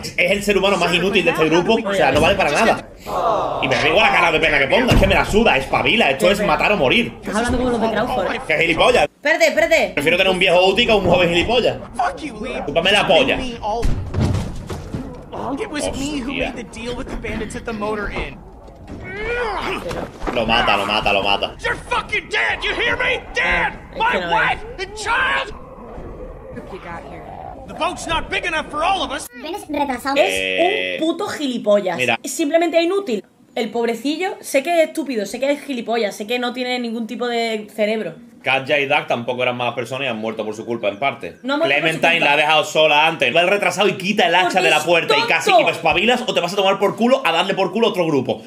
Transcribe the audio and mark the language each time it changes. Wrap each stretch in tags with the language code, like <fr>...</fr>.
<es>Es el ser humano más inútil de este grupo. O sea, no vale para nada. Y me da igual la cara de pena que ponga. Es que me la suda, espabila. Esto es matar o morir. Estás hablando como los de Crawford. ¡Qué gilipollas! Espérate, espérate. Prefiero tener un viejo útil que un joven gilipollas.</es> <en>Fuck you, Lee.</en> <es>Cúpame la polla.</es> <en>It was me who made the deal with the bandits at the motor inn.</en> <es>Lo mata, lo mata, lo mata.</es> <en>You're fucking dead, you hear me? Dead! My wife and child! The boat's not big enough for all of us.</en> <es>Vienes retrasado. Es un puto gilipollas. Mira. Es simplemente inútil. El pobrecillo, sé que es estúpido, sé que es gilipollas, sé que no tiene ningún tipo de cerebro. Katja y Doug tampoco eran malas personas y han muerto por su culpa, en parte. No, Clementine la ha dejado sola antes. Va el retrasado y quita el hacha de la puerta y casi que espabilas o te vas a tomar por culo a darle por culo a otro grupo.</es>